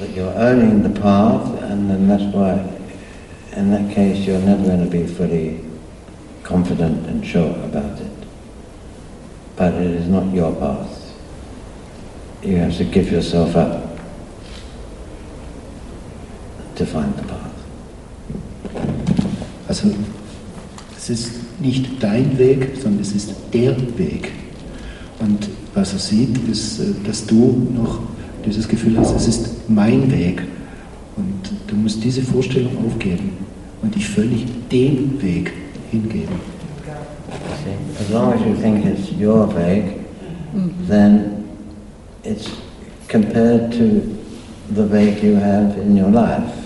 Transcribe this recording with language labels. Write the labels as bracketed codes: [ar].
[en] That you're owning the path, and then that's why, in that case, you're never going to be fully confident and sure about it. But it is not your path. You have to give yourself up to find the path. [de] Also, Es ist nicht dein Weg, sondern es ist der Weg. Und was er sieht, ist, dass du noch dieses Gefühl hast, es ist mein Weg. Und du musst diese Vorstellung aufgeben und dich völlig dem Weg hingeben. [en] As long as you think it's your way, then it's compared to the way you have in your life.